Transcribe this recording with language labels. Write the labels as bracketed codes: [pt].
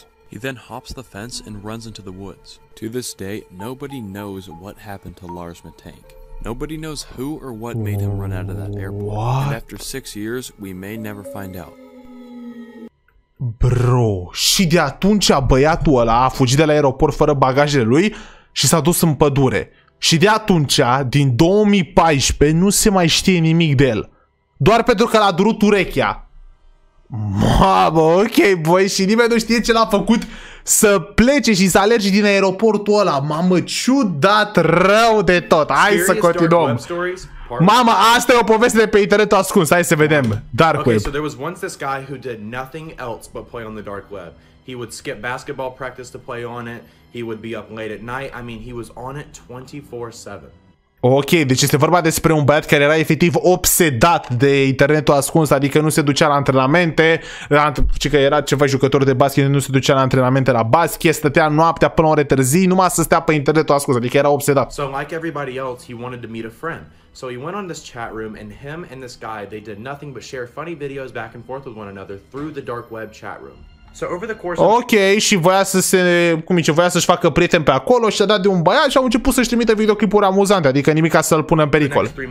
[en] He then hops the fence and runs into the woods. To this day, nobody knows what happened to Lars Metenke. Nobody knows who or what made him run out of that airport. What? And after 6 years, we may never find out. [ro] Bro, și de atunci băiatul ăla a fugit de la aeroport fără bagajele lui și s-a dus în pădure. Și de atunci, din 2014, nu se mai știe nimic de el. Doar pentru că l-a durut urechea. Mamă, ok, băi, și nimeni nu știe ce l-a făcut să plece și să alerge din aeroportul ăla. Mamă, ciudat rău de tot. Hai să continuăm. Mamă, asta e o poveste de pe internetul ascuns. Hai să vedem. Dark web. [en] Okay, so there was once this guy who did nothing else but play on the dark web. He would skip basketball practice to play on it. He would be up late at night. I mean, he was on it 24/7. [ro] Ok, deci este vorba despre un băiat care era efectiv obsedat de internetul ascuns, adică nu se ducea la antrenamente, ci că era ceva jucător de basket, nu se ducea la antrenamente la basket, stătea noaptea până ore târzii, numai să stea pe internetul ascuns, adică era obsedat. [en] So like everybody else, he wanted to meet a friend. So he went on this chat room and him and this guy, they did nothing but share funny videos back and forth with one another through the dark web chat room. [ro] Ok, și voia să se, cum zice, voia să-și facă prieten pe acolo și a dat de un băiat și au început să-și trimită videoclipuri amuzante, adică nimic ca să-l pună în pericol.